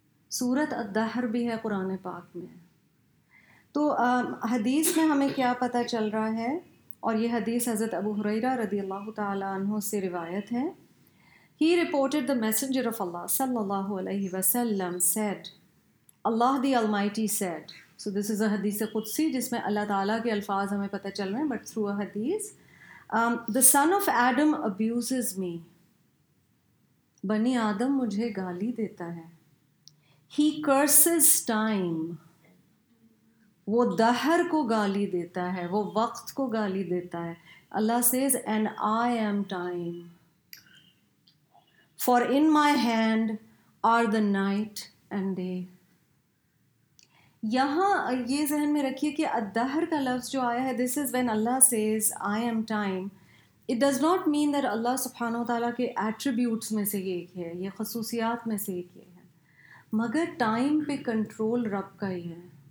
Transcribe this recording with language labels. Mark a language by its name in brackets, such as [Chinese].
[Urdu] سورۃ الدہر بھی ہے قرآن پاک میں. تو حدیث میں ہمیں کیا پتہ چل رہا ہے, اور یہ حدیث حضرت ابو ہریرہ رضی اللہ تعالیٰ عنہ سے روایت ہے. [English] He reported the messenger of اللہ صلی اللہ علیہ وسلم said, Allah the Almighty said. So this is a hadith qudsi [Urdu] jisme Allah taala ke alfaz hame pata chal rahe hain, [English] but through a hadith. The son of Adam abuses me. [Urdu] Bani Adam mujhe gaali deta hai. [English] He curses time. [Urdu] وہ دہر کو گالی دیتا ہے, وہ وقت کو گالی دیتا ہے. [English] Allah says, and I am time. For in my hand are the night and day. [Urdu] یہاں یہ ذہن میں رکھیے کہ الدہر کا لفظ جو آیا ہے, [English] this is when Allah says, I am time. It does not mean that [Urdu] Allah سبحانہ وتعالیٰ کے attributes میں سے ایک ہے, یہ خصوصیات میں سے ایک ہے, مگر time پہ control رب کا ہی ہے.